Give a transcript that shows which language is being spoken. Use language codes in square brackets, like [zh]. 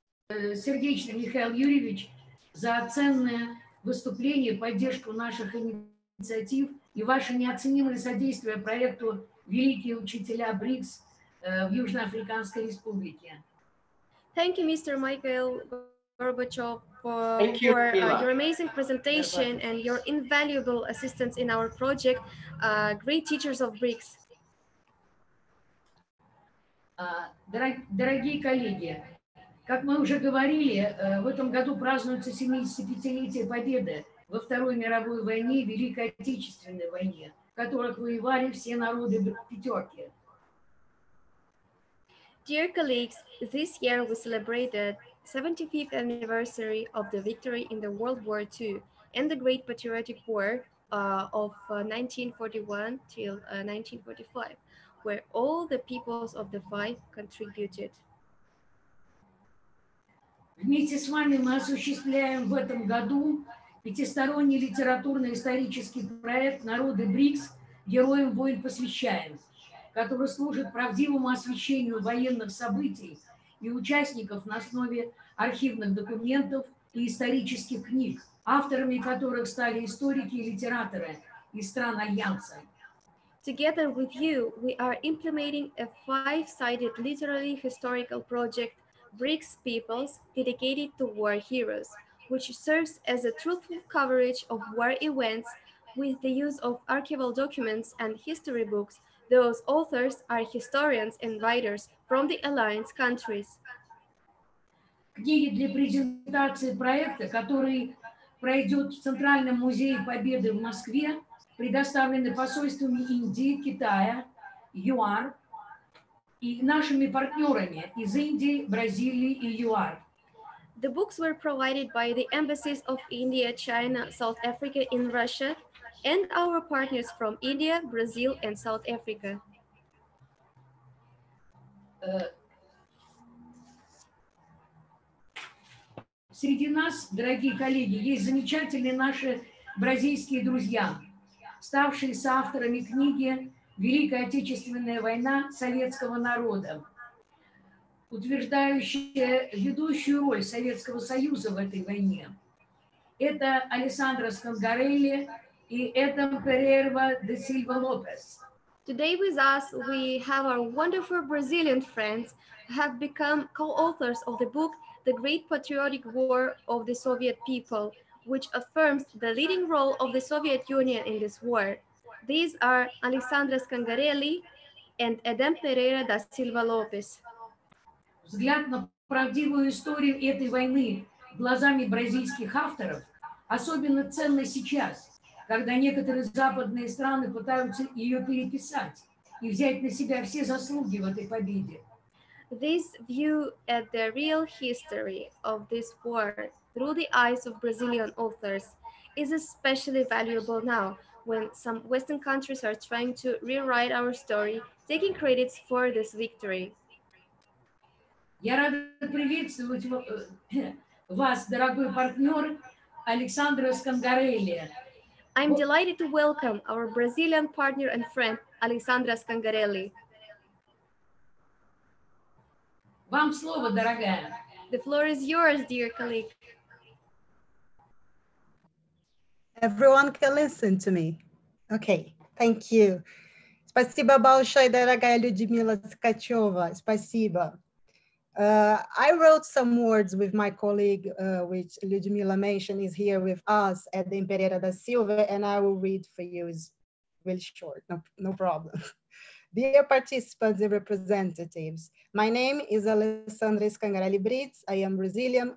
[ru] Сердечно, Михаил Юрьевич, за ценное выступление, поддержку наших инициатив и ваше неоценимое содействие проекту «Великие учителя БРИКС» в Южноафриканской Республике. [en] Thank you, Mr. Michael Gorbachev, for your amazing presentation and your invaluable assistance in our project, Great Teachers of BRICS. [ru] Дорогие коллеги, как мы уже говорили, в этом году празднуется 75-летие победы во Второй мировой войне, Великой Отечественной войне, в которых воевали все народы пятерки. [en] Dear colleagues, this year we celebrate the 75th anniversary of the victory in the World War II and the Great Patriotic War of 1941 till 1945, where all the peoples of the five contributed. [ru] Вместе с вами мы осуществляем в этом году пятисторонний литературно-исторический проект «Народы БРИКС. Героям войн посвящаем», который служит правдивому освещению военных событий и участников на основе архивных документов и исторических книг, авторами которых стали историки и литераторы из стран Альянса. [en] Together with you, we are implementing a five-sided literary historical project BRICS Peoples, dedicated to war heroes, which serves as a truthful coverage of war events with the use of archival documents and history books. Those authors are historians and writers from the Alliance countries. [ru] Книги для презентации проекта, который пройдет в Центральном музее Победы в Москве, предоставлены посольствами Индии, Китая, ЮАР и нашими партнерами из Индии, Бразилии и ЮАР. [en] The books were provided by the embassies of India, China, South Africa and Russia, and our partners from India, Brazil, and South Africa. [ru] Среди нас, дорогие коллеги, есть замечательные наши бразильские друзья, ставшие соавторами книги «Великая Отечественная война советского народа», утверждающие ведущую роль Советского Союза в этой войне. Это Алессандро Скангарелли, [en] today with us, we have our wonderful Brazilian friends who have become co-authors of the book The Great Patriotic War of the Soviet People, which affirms the leading role of the Soviet Union in this war. These are Alessandra Scangarelli and Edem Pereira da Silva Lopes. [ru] Взгляд на правдивую историю этой войны глазами бразильских авторов особенно ценно сейчас, когда некоторые западные страны пытаются ее переписать и взять на себя все заслуги в этой победе. [en] This view at the real history of this war through the eyes of Brazilian authors is especially valuable now, when some Western countries are trying to rewrite our story, taking credits for this victory. [ru] Я рада приветствовать вас, дорогой партнер, [en] Alexandra Scangarelli. I'm delighted to welcome our Brazilian partner and friend, Alexandra Scangarelli. [ru] Вам слово, дорогая. [en] The floor is yours, dear colleague. Everyone can listen to me. Okay, thank you. [ru] Спасибо большое, дорогая Людмила Скачева. Спасибо. [en] I wrote some words with my colleague, which Людмила mentioned is here with us at the Pereira da Silva, and I will read for you. It's really short, no problem. Dear participants and representatives, my name is Alessandra Scangarelli Brits. I am Brazilian.